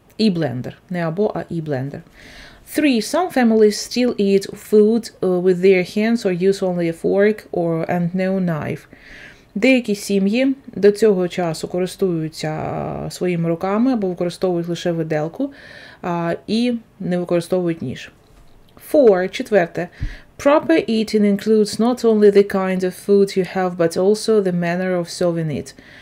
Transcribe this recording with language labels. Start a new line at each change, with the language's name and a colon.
Ukrainian: І блендер, не або, а і блендер. 3.
English: Some families still eat food with their hands or use only a fork and no knife.
Ukrainian: Деякі сім'ї до цього часу користуються своїми руками або використовують лише виделку і не використовують ніж.
English: Four,
Ukrainian: четверте.
English: Proper eating includes not only the kind of food you have, but also the manner of serving it.